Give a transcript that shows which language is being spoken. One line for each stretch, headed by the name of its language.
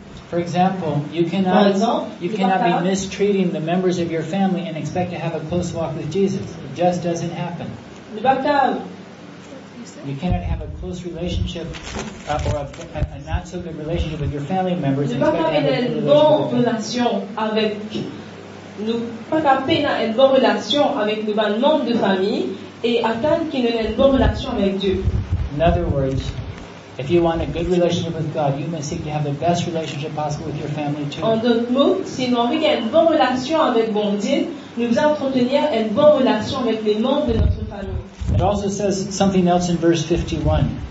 English: For example, you cannot be mistreating the members of your family and expect to have a close walk with Jesus. It just doesn't happen. You cannot have a close relationship or a not so good relationship with your family members.
French: Ne pas avoir une bonne relation avec nous, pas capable d'avoir une bonne relation avec nos membres de famille et attendre qu'ils aient une bonne relation avec Dieu.
English: In other words, if you want a good relationship with God, you must seek to have the best relationship possible with your family too.
French: En d'autres mots, si nous voulons avoir une bonne relation avec bon Dieu, nous devons entretenir une bonne relation avec les membres de notre famille.
English: It also says something else in verse 51.